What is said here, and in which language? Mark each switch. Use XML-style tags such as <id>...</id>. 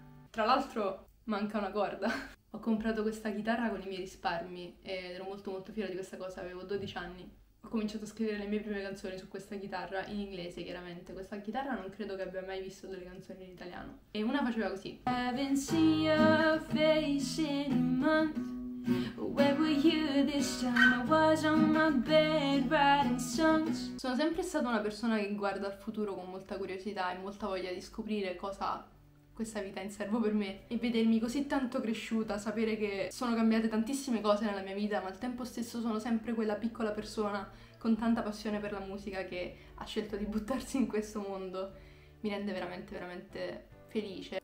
<it>Tra l'altro manca una corda. Ho comprato questa chitarra con i miei risparmi ed ero molto molto fiera di questa cosa, avevo 12 anni. Ho cominciato a scrivere le mie prime canzoni su questa chitarra, in inglese chiaramente. Questa chitarra non credo che abbia mai visto delle canzoni in italiano. E una faceva così.</it> <en>I haven't seen your face in a month. Where were you this time? I was on my bed writing songs.</en> <it>Sono sempre stata una persona che guarda al futuro con molta curiosità e molta voglia di scoprire cosa questa vita in serbo per me. E vedermi così tanto cresciuta, sapere che sono cambiate tantissime cose nella mia vita, ma al tempo stesso sono sempre quella piccola persona con tanta passione per la musica che ha scelto di buttarsi in questo mondo, mi rende veramente, veramente felice.</it>